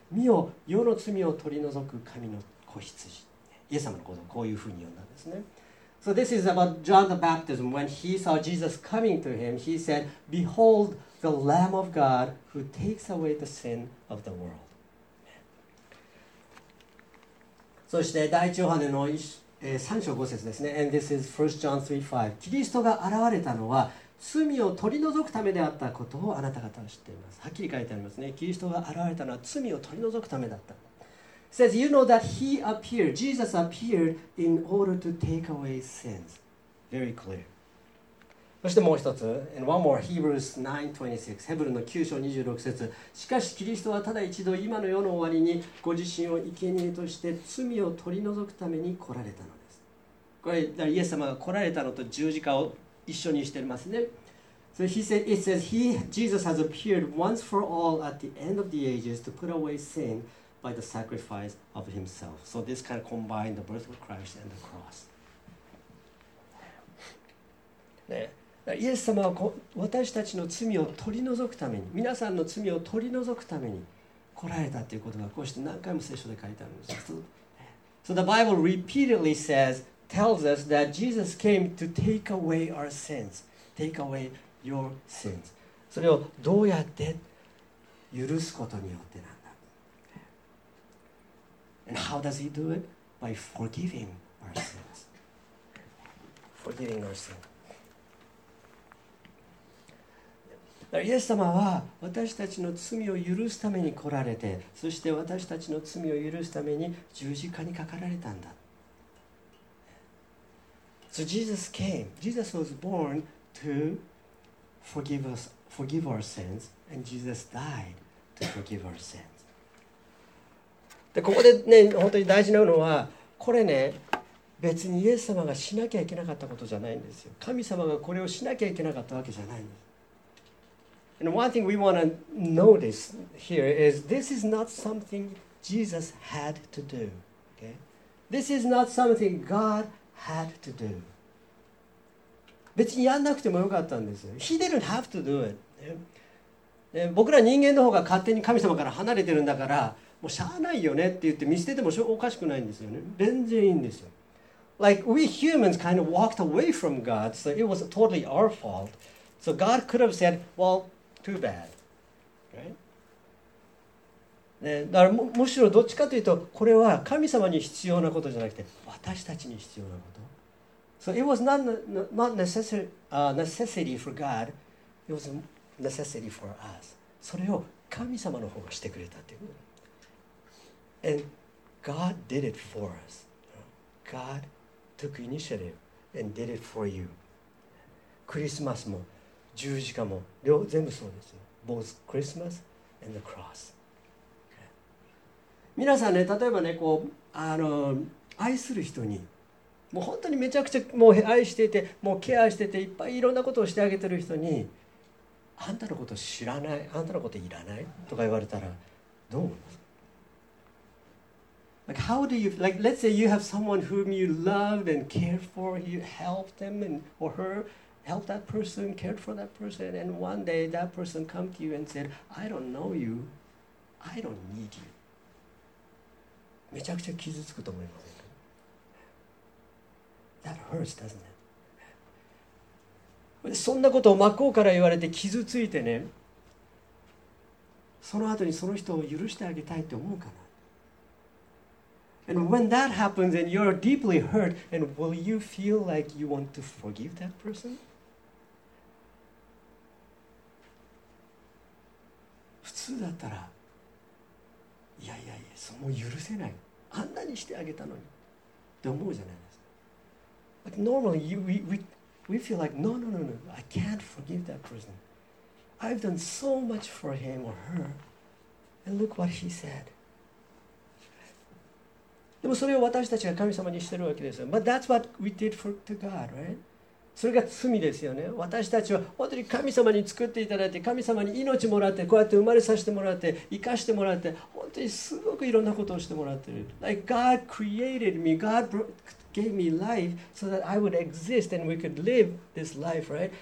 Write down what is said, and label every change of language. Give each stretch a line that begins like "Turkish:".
Japanese: 見よ、世の罪を取り除く神の子羊。イエス様のことをこういうふうに呼んだんですね。
English: So this is about John the Baptist. When he saw Jesus coming to him, he said, Behold, the Lamb of God who takes away the sin of the world.
Japanese: そして第1ヨハネの3章5節ですね。
English: And this is 1 John 3, 5.
Japanese: キリストが現れたのは罪を取り除くためであったことをあなた方は知っています。はっきり書いてありますね。キリストが現れたのは罪を取り除くためだった。
English: It says, you know that he appeared, Jesus appeared in order to take away sins. Very clear.
Japanese: そしてもう一つ、
English: and one more,
Japanese: Hebrews 9:26, ヘブルの9章26節。しかしキリストはただ一度今の世の終わりにご自身を生贄として罪を取り除くために来られたのです。これ、イエス様が来られたのと十字架を一緒にしていますね。
English: So he said, it says, he, Jesus has appeared once for all at the end of the ages to put away sin. By the sacrifice of himself. So this kind of combined the birth of Christ and the cross.
Japanese: イエス様は私たちの罪を取り除くために、皆さんの罪を取り除くために来られたということがこうして何回も聖書で書いてあるんです。
English: So the Bible repeatedly says, tells us that Jesus came to take away our sins, take away your sins.
Japanese: それをどうやって許すことによってなんだ。
English: And how does he do it? By forgiving our sins. Forgiving our sins.
Japanese: イエス様は私たちの罪を許すために来られて、そして私たちの罪を許すために十字架にかかられたんだ。
English: So Jesus came. Jesus was born to forgive us, forgive our sins, and Jesus died to forgive our sins.
Japanese: で、ここでね、本当に大事なのは、これね、別にイエス様がしなきゃいけなかったことじゃないんですよ。神様がこれをしなきゃいけなかったわけじゃないんです。
English: And one thing we want to notice here is this is not something Jesus had to do. Okay? This is not something God had to do.
Japanese: 別にやんなくてもよかったんですよ。
English: He didn't have to do it.
Japanese: で、僕ら人間の方が勝手に神様から離れてるんだから、もうしゃあないよねって言って見捨ててもおかしくないんですよね。全然いいんですよ。
English: Like we humans kind of walked away from God, so it was totally our fault. So God could have said, well,Too bad. Right?
Japanese: ね、だから むしろどっちかというとこれは神様に必要なことじゃなくて私たちに必要なこと。
English: So it was not necessary for God. It was necessary for us.
Japanese: それを神様の方がしてくれたということ。
English: And God did it for us. God took initiative and did it for you.
Japanese: クリスマスも十字架も両全部そうですよ。
English: Both Christmas and the cross.
Japanese: 皆さんね、例えばね、こう愛する人にもう本当にめちゃくちゃもう愛していて、もうケアしていていっぱいいろんなことをしてあげてる人に、あんたのこと知らない、あんたのこといらないとか言われたらどう思う
English: ？Like how do you like? Let's say you have someone whom you loved and cared for, you helped them and or her. Help that person, cared for that person, and one day that person come to you and said, I don't know you, I don't need you.
Japanese: めちゃくちゃ傷つくと思います。
English: That hurts, doesn't it?
Japanese: そんなことを真っ向から言われて傷ついてね、その後にその人を許してあげたいって思うかな。
English: And when that happens and you're deeply hurt, and will you feel like you want to forgive that person?
Japanese: 普通だったら、いやいやいや、そのもう許せない。あんなにしてあげたのに。って思うじゃないですか。
English: But normally, we feel like, no, no, no, no, I can't forgive that person. I've done so much for him or her. And look what he said.
Japanese: でもそれを私たちが神様にしてるわけですよ。
English: But that's what we did for to God, right?
Japanese: それが罪ですよね。私たちは本当に神様に作っていただいて、神様に命もらって、こうやって生まれさせてもらって、生かしてもらって、本当にすごくいろんなことをしてもらってる。
English: Like God created me, God gave me life so that I would exist and we could live this life, right?